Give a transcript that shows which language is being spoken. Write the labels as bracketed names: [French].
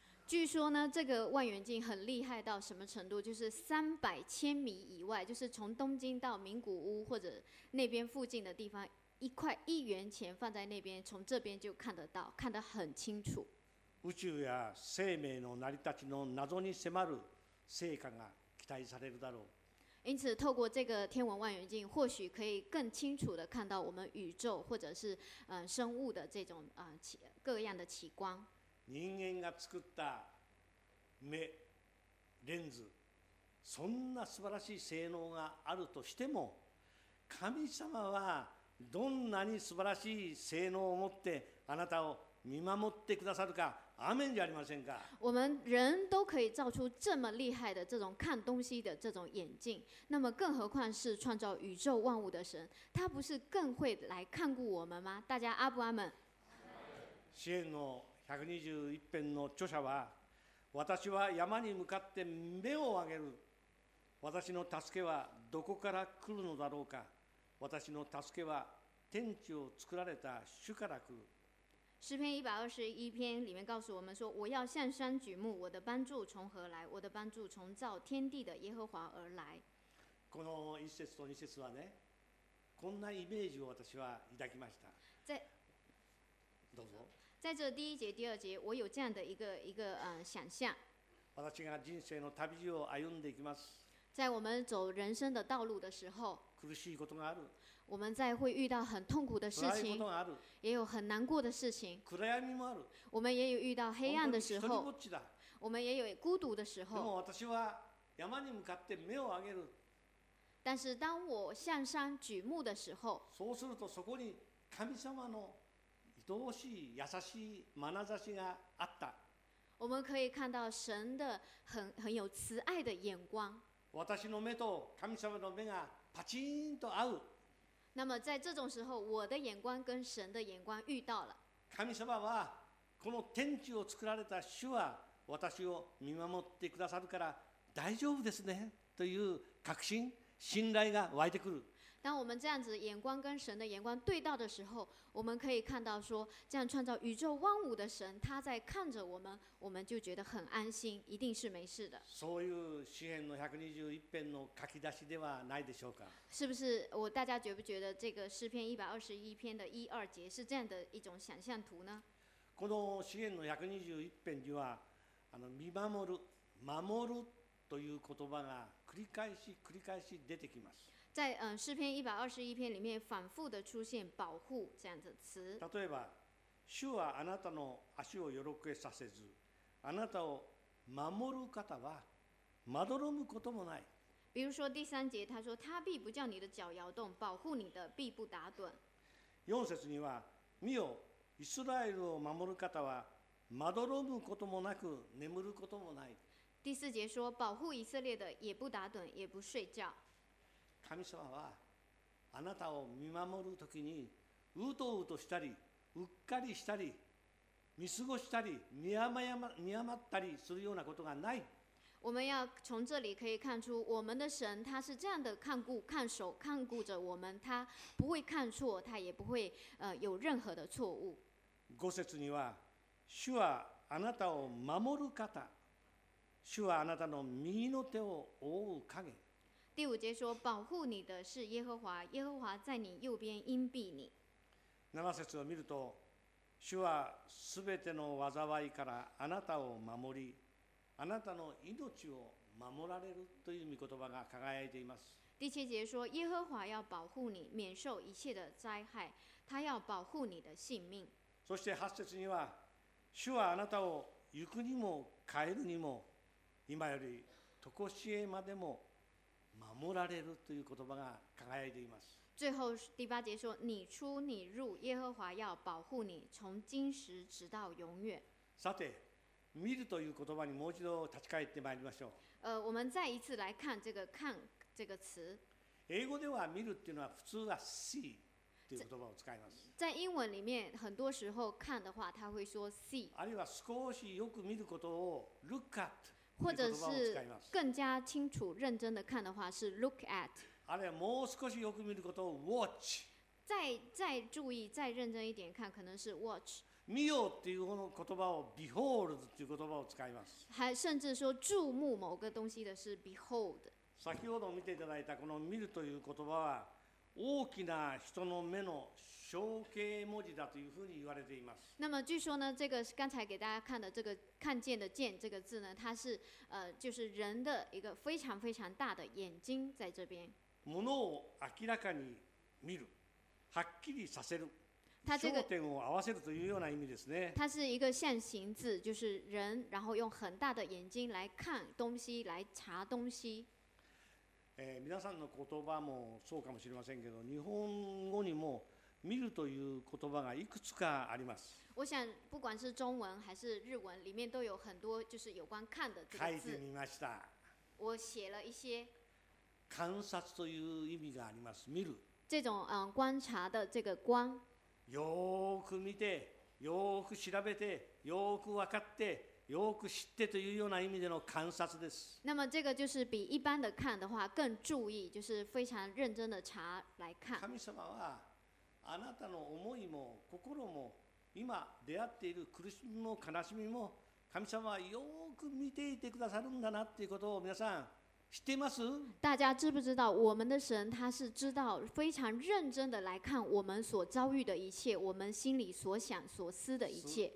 [Chinese] 据说呢，这个望远镜很厉害到什么程度？就是三百千米以外，就是从东京到名古屋或者那边附近的地方，一块一元钱放在那边，从这边就看得到，看得很清楚。 [Japanese] 宇宙や生命の成り立ちの謎に迫る成果が期待されるだろう。 [Chinese] 因此，透过这个天文望远镜，或许可以更清楚地看到我们宇宙或者是生物的这种各样的奇观。 [Japanese] 人間が作った目、レンズ、そんな素晴らしい性能があるとしても、神様はどんなに素晴らしい性能を持ってあなたを見守ってくださるか、アメンじゃありませんか。 [Chinese] 我们人都可以造出这么厉害的这种看东西的这种眼镜，那么更何况是创造宇宙万物的神，他不是更会来看顾我们吗？大家阿不阿门？ [Japanese] 支援の121編の著者は、私は山に向かって目を上げる。私の助けはどこから来るのだろうか。私の助けは天地を作られた主から来る。 [Chinese] 詩篇121篇里面告诉我们说，我要向山举目，我的帮助从何来？我的帮助从造天地的耶和华而来。 [Japanese] この一節と二節はね、こんなイメージを私は抱きました。どうぞ。 [Chinese] 在这第一节、第二节，我有这样的一个想象。 [Japanese] 私が人生の旅路を歩んでいきます。 [Chinese] 在我们走人生的道路的时候， [Japanese] 苦しいことがある。 [Chinese] 我们在会遇到很痛苦的事情， [Japanese] 辛いことがある。 [Chinese] 也有很难过的事情， [Japanese] 暗闇もある。 [Chinese] 我们也有遇到黑暗的时候， [Japanese] 本当に一人ぼっちだ。 [Chinese] 我们也有孤独的时候。 [Japanese] でも私は山に向かって目を上げる。 [Chinese] 但是当我向山举目的时候， [Japanese] そうするとそこに神様の愛おしい優しい眼差しがあった。 [Chinese] 我们可以看到神的 很有慈爱的眼光。 [Japanese] 私の目と神様の目がパチンと合う。 [Chinese] 那么在这种时候，我的眼光跟神的眼光遇到了。 [Japanese] 神様はこの天地を作られた主は私を見守ってくださるから大丈夫ですねという確信。信頼が湧いてくる。 [Chinese] 当我们这样子眼光跟神的眼光对到的时候，我们可以看到说，这样创造宇宙万物的神，他在看着我们，我们就觉得很安心，一定是没事的。 [Japanese] そういう詩編の121編の書き出しではないでしょうか。 [Chinese] 是不是我大家觉不觉得这个诗篇121篇的一二节是这样的一种想象图呢？ [Japanese] この詩編の121編には、あの見守る、守るという言葉が繰り返し繰り返し出てきます。 [Chinese] 在詩篇121篇里面反复的出现保护这样的词。 [Japanese] 例えば、主はあなたの足をよろけさせず、あなたを守る方はまどろむこともない。 [Chinese] 比如说第三节，他说他必不叫你的脚摇动，保护你的必不打盹。 [Japanese] 四節には、見よ、イスラエルを守る方はまどろむこともなく眠ることもない。 [Chinese] 第四节说，保护以色列的也不打盹，也不睡觉。 [Japanese] 神様はあなたを見守るときにうとうとしたり、うっかりしたり、見過ごしたり、見誤ったりするようなことがない。 [Chinese] 我们要从这里可以看出，我们的神他是这样的看顾、看守、看顾着我们，他不会看错，他也不会有任何的错误。 [Japanese] 五節には、主はあなたを守る方、主はあなたの右の手を覆う影。 [Chinese] 第五节说，保护你的是耶和华，耶和华在你右边荫庇你。 [Japanese] 七節を見ると、主はすべての災いからあなたを守り、あなたの命を守られるという御言葉が輝いています。 [Chinese] 第七节说，耶和华要保护你，免受一切的灾害，他要保护你的性命。 [Japanese] そして八節には、主はあなたを行くにも帰るにも、今より常しえまでも守られるという言葉が輝いています。 [Chinese] 最後第八節说，你出你入、耶和华要保护你、从今时直到永远。 [Japanese] さて、見るという言葉にもう一度立ち返ってまいりましょう。 [Chinese] 我们再一次来看这个看这个词。 [Japanese] 英語では見るっていうのは普通は see という言葉を使います。 [Chinese] 在英文里面，很多时候看的话，他会说 see。 [Japanese] あるいは少しよく見ることを look at。 [Chinese] 或者是更加清楚认真的看的话是 look at，啊，对， [Japanese] もう少しよく見ることを watch， [Chinese] 再注意再认真一点看可能是 watch。 [Japanese] 見よっていう言葉を behold っていう言葉を使います。 [Chinese] 还甚至说注目某个东西的是 behold。 [Japanese] 先ほど見ていただいたこの見るという言葉は大きな人の目の象形文字だというふうに言われています。 [Chinese] 那么据说呢，这个刚才给大家看的这个看见的见这个字呢，它是就是人的一个非常非常大的眼睛在这边。 [Japanese] 物を明らかに見る、はっきりさせる、焦点を合わせるというような意味ですね。 [Chinese] 它是一个象形字，就是人，然后用很大的眼睛来看东西，来查东西。 [Japanese] 皆さんの言葉もそうかもしれませんけど、日本語にも見るという言葉がいくつかあります。 [Chinese] 我想不管是中文还是日文，里面都有很多就是有关看的这个字。 [Japanese] 書いてみました。 [Chinese] 我写了一些。 [Japanese] 観察という意味があります。見る。 [Chinese] 这种观察的这个观。 [Japanese] よく見て、よく調べて、よく分かって、よく知ってというような意味での観察です。 [Chinese] 那么这个就是比一般的看的话更注意，就是非常认真的查来看。 [Japanese] 神様は。あなたの思いも心も今出会っている苦しみも悲しみも神様はよく見ていてくださるんだなっていうことを皆さん知っています？ [Chinese] 大家知不知道我们的神他是知道非常认真的来看我们所遭遇的一切，我们心里所想所思的一切。